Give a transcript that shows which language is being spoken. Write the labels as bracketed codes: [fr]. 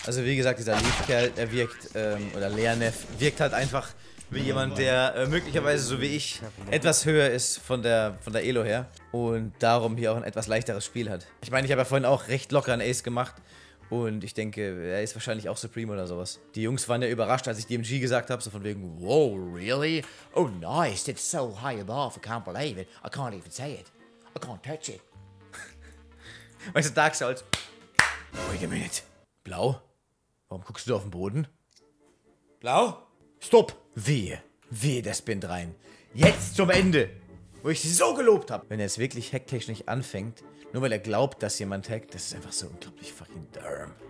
[de] Also wie gesagt, dieser Leaf-Kerl, er wirkt, oder Leanef, wirkt halt einfach wie jemand, der möglicherweise so wie ich etwas höher ist von der Elo her und darum hier auch ein etwas leichteres Spiel hat. Ich meine, ich habe ja vorhin auch recht locker einen Ace gemacht und ich denke, er ist wahrscheinlich auch Supreme oder sowas. Die Jungs waren ja überrascht, als ich DMG gesagt habe, so von wegen, [en] wow, really? Oh nice, it's so high above, I can't believe it, I can't even say it, I can't touch it. [de] Weißt du, Dark Souls, [en] wait a minute, [de] Blau, warum guckst du auf den Boden? Blau? Stopp! Wehe, das bin rein. Jetzt zum Ende, wo ich sie so gelobt habe. Wenn er jetzt wirklich hacktechnisch anfängt, nur weil er glaubt, dass jemand hackt, das ist einfach so unglaublich fucking derm.